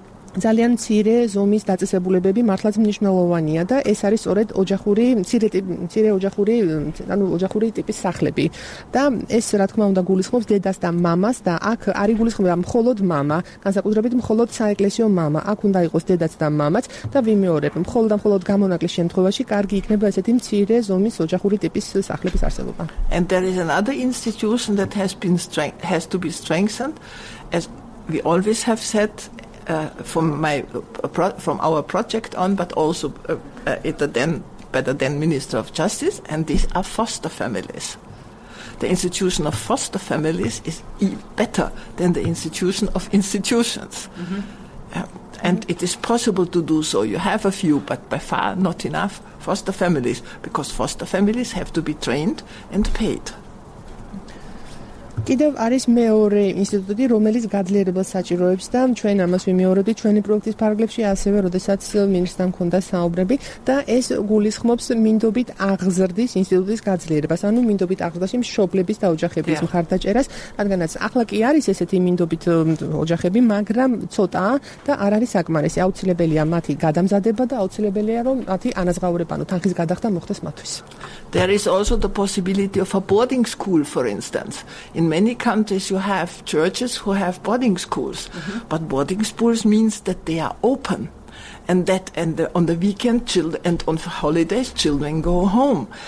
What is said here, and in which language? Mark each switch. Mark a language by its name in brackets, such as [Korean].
[Georgian] ძალიან მცირე ზომის დაწესებულებები მართლაც მნიშვნელოვანია და ეს არის სწორედ ოჯახური მცირე ოჯახური ანუ ოჯახური ტიპის სახლები და ეს რა თქმა უნდა გულისხმობს დედას და მამას და აქ არის გულისხმობა მხოლოდ მამა განსაკუთრებით მხოლოდ საეკლესიო მამა აქ უნდა იყოს დედაც და მამაც და ვიმეორებ მხოლოდ მხოლოდ გამონაკლის შემთხვევაში კარგი იქნება ესეთი მცირე ზომის ოჯახური ტიპის სახლების არსებობა [English] and there is another institution that has to be strengthened as we always have said from our project on, but also by the then Minister of Justice, and these are foster families. The institution of foster families is better than the institution of institutions. Mm-hmm. And it is possible to do so. You have a few, but by far not enough foster families, because foster families have to be trained and paid. [Georgian] კიდევ არის მეორე ინსტიტუტი, რომელიც გადლიერებას საჭიროებს და ჩვენ ამას ვიმეორებდით ჩვენი პროექტის ფარგლებში ასევე, როდესაც მინისტრთან ქონდა საუბრები და ეს გულისხმობს მინდობით აღზრდის ინსტიტუტის გადლიერებას, ანუ მინდობით აღზრდაში მშობლების და ოჯახების მხარდაჭერას, რადგანაც ახლა კი არის ესეთი მინდობით ოჯახები, მაგრამ ცოტაა და არ არის საკმარისი. აუცილებელია მათი გადამზადება და აუცილებელია, რომ მათი ანაზღაურება, ანუ თანხის გადახდა მოხდეს მათთვის. [English] There is also the possibility of a boarding school, for instance. In many countries, you have churches who have boarding schools. Mm-hmm. But boarding schools means that they are open. And that and the, on the weekend, children and on holidays, children go home.